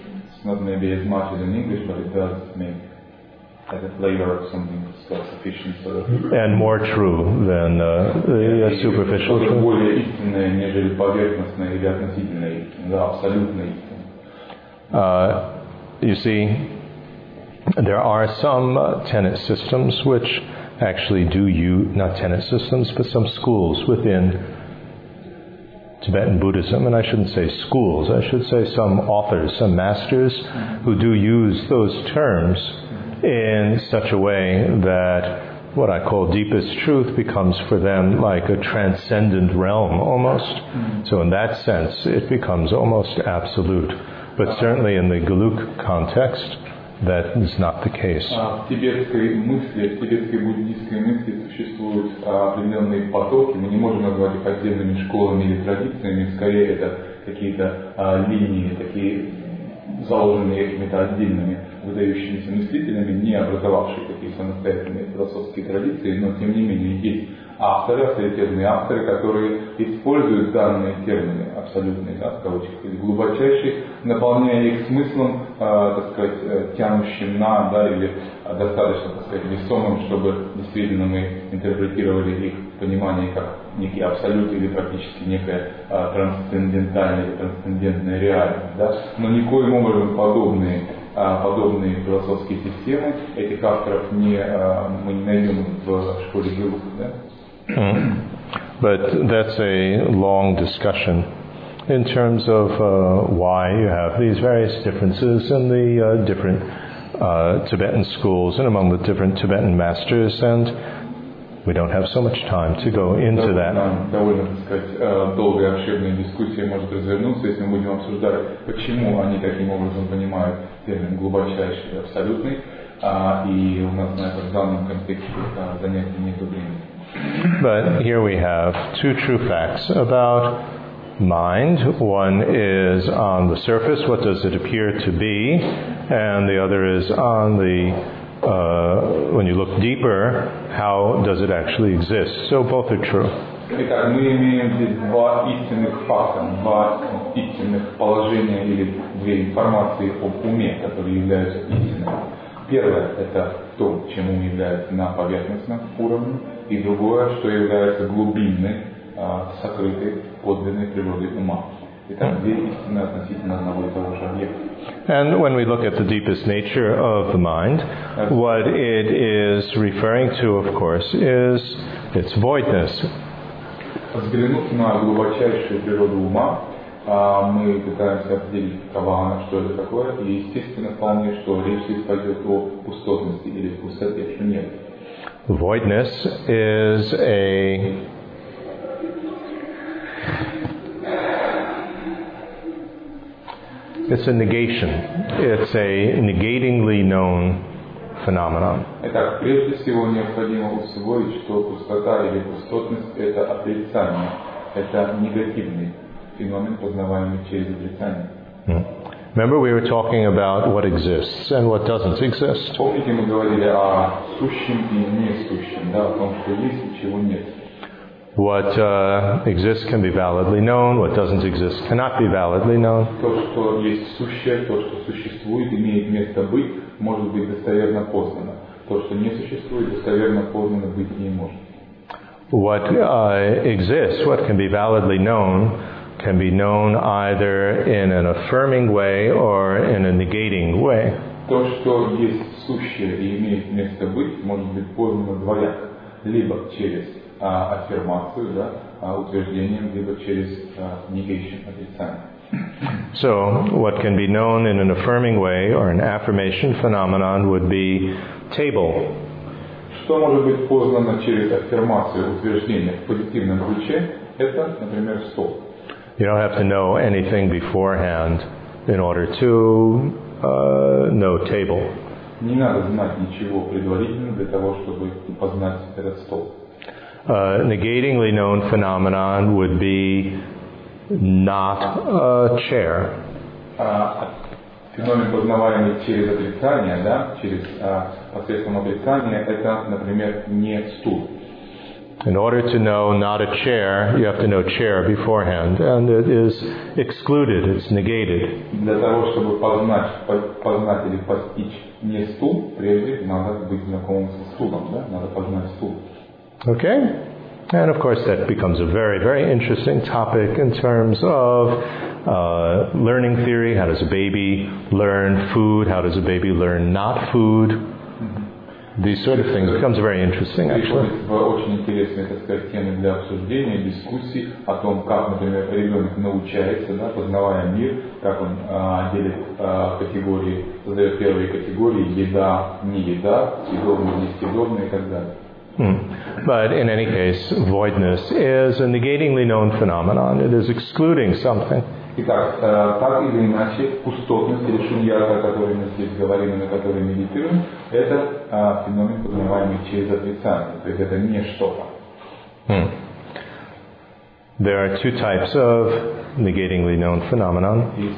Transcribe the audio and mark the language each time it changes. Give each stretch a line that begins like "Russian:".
English: It's not maybe as much as in English, but it does make a flavor of something self-sufficient, sort of. And more true than the superficial.
Russian: Что-то более истинное, нежели поверхностное или относительное, да, абсолютное.
English: You see, there are some tenet systems which actually do use, not tenet systems, but some schools within Tibetan Buddhism, and I shouldn't say schools, I should say some authors, some masters, who do use those terms in such a way that what I call deepest truth becomes for them like a transcendent realm almost. So in that sense, it becomes almost absolute. But certainly in the Geluk context, that is not the case.
Russian: В тибетской мысли, в тибетской буддийской мысли существуют определенные потоки. Мы не можем назвать их отдельными школами или традициями. Скорее, это какие-то линии, такие заложенные какими-то отдельными выдающимися мыслителями, не образовавшие такие самостоятельные философские традиции, но тем не менее есть авторы, авторитетные авторы, которые используют данные термины абсолютные, да, в кавычках, или глубочайшие, наполняя их смыслом, так сказать, тянущим на, да, или достаточно, так сказать, весомым, чтобы действительно мы интерпретировали их понимание как некий абсолют или практически некая трансцендентальная, трансцендентная реальность, да. Но никоим образом подобные философские системы этих авторов мы не найдем в школе Белуха, да.
English: But that's a long discussion in terms of why you have these various differences in the different Tibetan schools and among the different Tibetan masters, and we don't have so much time to go into that.
Russian: Довольно, так сказать, долгая, обширная дискуссия может развернуться, если мы будем обсуждать, почему они таким образом понимают термин глубочайший и абсолютный, и у нас на этом данном контексте занятия нету времени.
English: But here we have two true facts about mind. One is on the surface, what does it appear to be? And the other is on the, when you look deeper, how does it actually exist? So both are true.
Russian: Итак, мы имеем здесь два истинных факта, два истинных положения или две информации об уме, которые являются истинными. Первое – это то, чем ум является на поверхностном уровне. И другое, что является глубинной, сокрытой, подлинной природой ума. Итак, две истины относительно одного и того же объекта.
English: And when we look at the deepest nature of the mind, what it is referring to, of course, is its voidness.
Russian: Взглянув на глубочайшую природу ума, мы пытаемся определить, кавана, что это такое, и естественно вполне, что речь здесь пойдет о пустотности или пустоте, что нет.
English: Voidness is a negation. It's a negatingly known phenomenon.
Russian: Итак, прежде всего необходимо усвоить, что пустота или пустотность — это отрицание, это негативный феномен, познаваемый через отрицание.
English: Remember, we were talking about what exists and what doesn't exist.
Russian: Помните, мы говорили о сущем и несущем, да, о том, что есть и чего нет.
English: What exists can be validly known. What doesn't exist cannot be validly known.
Russian: То, что есть сущее, то, что существует, имеет место быть, может быть достоверно познано. То, что не существует, достоверно познано быть не может.
English: What exists, what can be validly known, can be known either in an affirming way or in a negating way.
Russian: То, что есть сущее и имеет место быть, может быть познано двояко. Либо через аффирмацию, да, утверждением, либо через negation, отрицание.
English: So, what can be known in an affirming way or an affirmation phenomenon would be table.
Russian: Что может быть познано через аффирмацию, утверждение в позитивном ключе, это, например, стол.
English: You don't have to know anything beforehand in order to know table.
Russian: Не надо знать ничего предварительно для того, чтобы познать этот стол.
English: A negatingly known phenomenon would be not a chair.
Russian: Феномен, познаваемый через отрицание, да, через посредством отрицания, это, например, не стул.
English: In order to know not a chair, you have to know chair beforehand, and it is excluded, it's negated.
Russian: Для того, чтобы познать или постичь не стул, прежде надо быть знакомым со стулом, да? Надо познать стул.
English: Okay. And of course that becomes a very, very interesting topic in terms of learning theory. How does a baby learn food? How does a baby learn not food? These sort of things becomes very interesting, actually.
Russian: Очень интересные, так сказать, темы для обсуждения, дискуссий о том, как, например, ребенок научается, да, познавая мир, как он делит категории, создает первые категории: еда, не еда, съедобно, несъедобно и так далее.
English: But in any case, voidness is a negatingly known phenomenon. It is excluding something.
Russian: Итак, так или иначе, пустотность или шуньята, о которой мы здесь говорим и на которой медитируем, это феномен, познаваемый через отрицание, то есть это не что-то.
English: There are two types of negatingly known phenomenon.